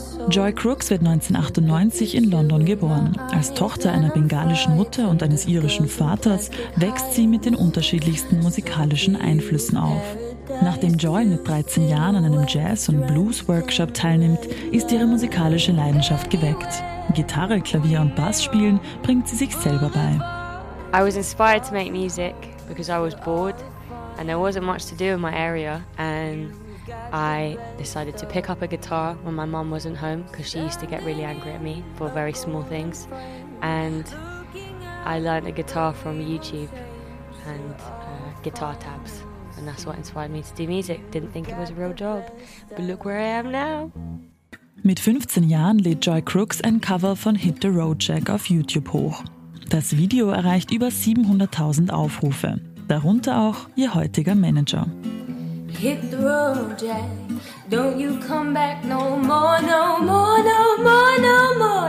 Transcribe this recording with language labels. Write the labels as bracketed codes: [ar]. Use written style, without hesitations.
[de] Joy Crooks wird 1998 in London geboren. Als Tochter einer bengalischen Mutter und eines irischen Vaters wächst sie mit den unterschiedlichsten musikalischen Einflüssen auf. Nachdem Joy mit 13 Jahren an einem Jazz- und Blues-Workshop teilnimmt, ist ihre musikalische Leidenschaft geweckt. Gitarre, Klavier und Bass spielen bringt sie sich selber bei. [en] I was inspired to make music because I was bored and there wasn't much to do in my area and I decided to pick up a guitar when my mom wasn't home because she used to get really angry at me for very small things and I learned a guitar from YouTube and guitar tabs and that's what inspired me to do music. Didn't think it was a real job, but look where I am now. [de] Mit 15 Jahren lädt Joy Crooks ein Cover von Hit the Road Jack auf YouTube hoch. Das Video erreicht über 700.000 Aufrufe, darunter auch ihr heutiger Manager. [en] Hit the road, Jack. Don't you come back no more, no more, no more, no more.